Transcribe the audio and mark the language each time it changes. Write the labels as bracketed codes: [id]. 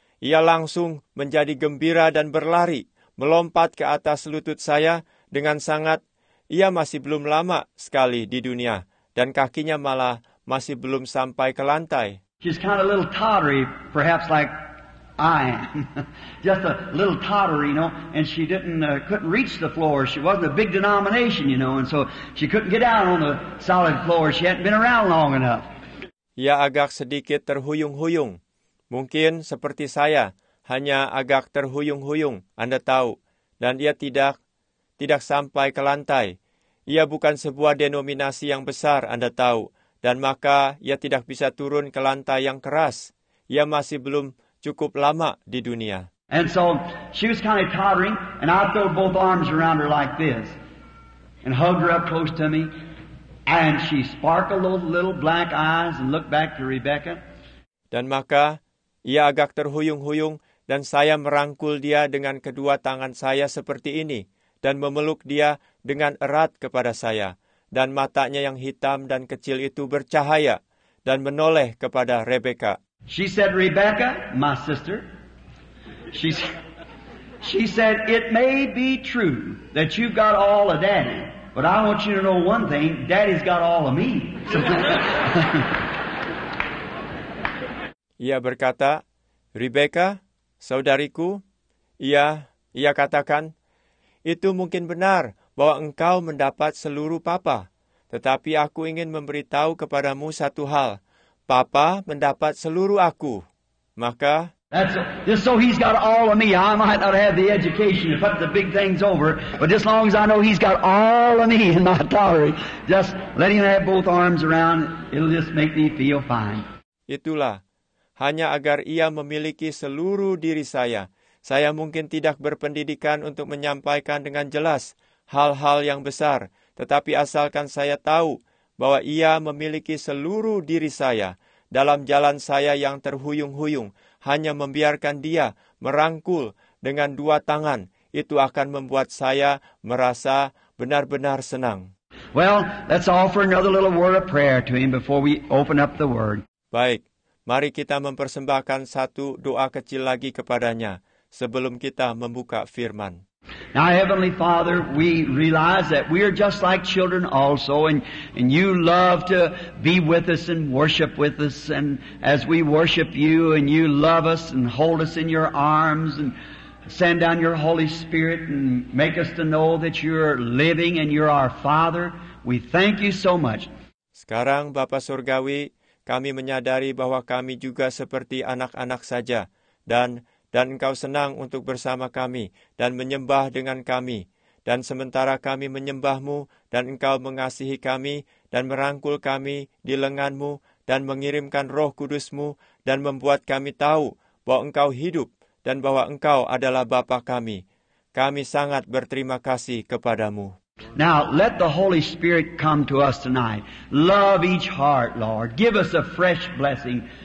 [id] Ia langsung menjadi gembira dan berlari, melompat ke atas lutut saya dengan sangat. Ia masih belum lama sekali di dunia, dan kakinya malah masih belum sampai ke lantai. [en] She's kind of a little tottery, perhaps like I am. Just a little tottery, you know, and she couldn't reach the floor. She wasn't a big denomination, you know, and so she couldn't get down on the solid floor. She hadn't been around long enough. [id] Ia agak sedikit terhuyung-huyung. Mungkin seperti saya, hanya agak terhuyung-huyung, Anda tahu. Dan ia tidak sampai ke lantai. Ia bukan sebuah denominasi yang besar, Anda tahu. Dan maka ia tidak bisa turun ke lantai yang keras. Ia masih belum cukup lama di dunia. [en] And so she was kind of tottering, and I threw both arms around her like this, and hugged her up close to me. And she sparkled those little black eyes and looked back to Rebecca. [id] Dan maka ia agak terhuyung-huyung dan saya merangkul dia dengan kedua tangan saya seperti ini dan memeluk dia dengan erat kepada saya. Dan matanya yang hitam dan kecil itu bercahaya dan menoleh kepada Rebecca. [en] She said, Rebecca, my sister, she said, it may be true that you've got all of daddy, but I want you to know one thing, daddy's got all of me. [id] Ia berkata, Rebecca, saudariku, ia katakan, itu mungkin benar bahwa engkau mendapat seluruh papa. Tetapi aku ingin memberitahu kepadamu satu hal. Papa mendapat seluruh aku. Maka, [en] just so he's got all of me. I might not have the education to put the big things over, but just as long as I know he's got all of me in my tottery, just let him have both arms around, it'll just make me feel fine. [id] Itulah. Hanya agar ia memiliki seluruh diri saya. Saya mungkin tidak berpendidikan untuk menyampaikan dengan jelas hal-hal yang besar. Tetapi asalkan saya tahu bahwa ia memiliki seluruh diri saya dalam jalan saya yang terhuyung-huyung, hanya membiarkan dia merangkul dengan dua tangan, itu akan membuat saya merasa benar-benar senang. [en] Well, let's offer another little word of prayer to him before we open up the word. [id] Baik, mari kita mempersembahkan satu doa kecil lagi kepadanya sebelum kita membuka firman. [en] Now, Heavenly Father, we realize that we are just like children also, and you love to be with us and worship with us, and as we worship you, and you love us and hold us in your arms, and send down your Holy Spirit, and make us to know that you're living and you're our Father. We thank you so much. [id] Sekarang, Bapa Surgawi, kami menyadari bahwa kami juga seperti anak-anak saja, dan engkau senang untuk bersama kami dan menyembah dengan kami. Dan sementara kami menyembahmu dan engkau mengasihi kami dan merangkul kami di lenganmu dan mengirimkan Roh Kudusmu dan membuat kami tahu bahwa engkau hidup dan bahwa engkau adalah Bapa kami. Kami sangat berterima kasih kepadamu. [en] Now let the Holy Spirit come to us tonight. Love each heart, Lord. Give us a fresh blessing.